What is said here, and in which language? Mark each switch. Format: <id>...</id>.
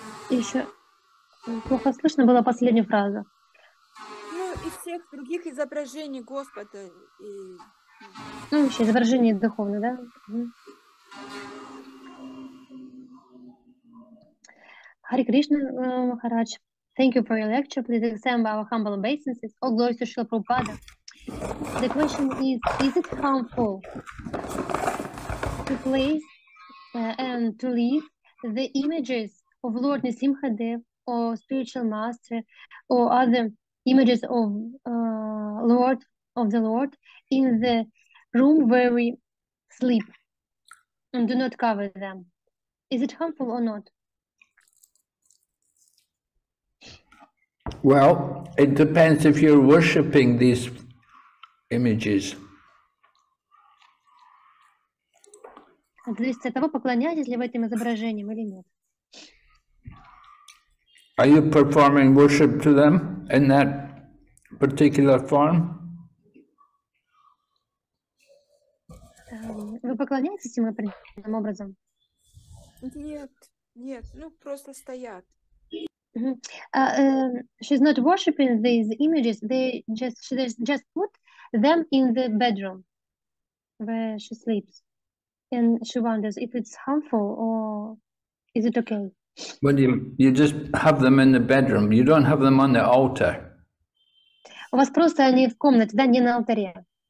<ru>Еще плохо слышно была последняя фраза. Ну и всех других изображений Господа и. Ну вообще изображение духовное, да?</ru> <en>Hare Krishna Maharaj, thank you for your lecture. Please accept our humble obeisances. All glory to Srila Prabhupada. The question is it harmful to place and to leave the images of Lord Nisimhadev or spiritual master or other images of Lord of the Lord in the room where we sleep and do not cover them. Is it harmful or not? Well, it depends if you're worshipping these images.</en> <ru>Зависит от того, поклоняетесь ли вы этим изображениям или нет.</ru> <en>Are you performing worship to them in that particular form?</en> <ru>Вы поклоняетесь им определенным образом? Нет, нет, ну просто стоят.</ru> <en>She's not worshiping these images. She just put them in the bedroom where she sleeps. And she wonders if it's harmful or is it okay? Well, you just have them in the bedroom. You don't have them on the altar.</en> <ru>У вас просто они в комнате, да, не на алтаре.</ru>